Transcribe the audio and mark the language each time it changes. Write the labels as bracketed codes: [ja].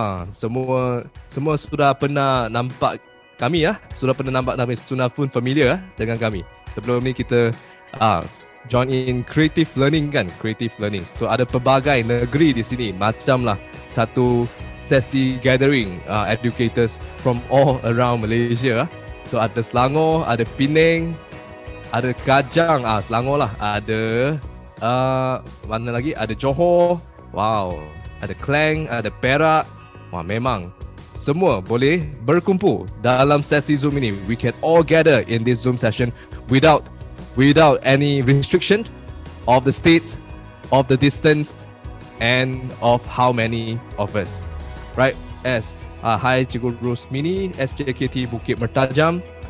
[ms] Semua sudah pernah nampak kami, ya. Sudah pernah nampak kami, sudah pun familiar dengan kami. Sebelum ni kita [en] join in creative learning [ms] kan, [en] creative learning. [ms] So ada pelbagai negeri di sini, macamlah satu sesi [en] gathering educators from all around Malaysia. [ms] So ada Selangor, ada Penang, ada Kajang, Selangor lah. Ada mana lagi? Ada Johor. Wow, ada Klang, ada Perak. Wah, memang semua boleh berkumpul dalam sesi Zoom ini. [en] We can all gather in this Zoom session without any restriction of the state, of the distance, and of how many of us, right? As hi Cikgu Rosmini, SJKT Bukit Mertajam.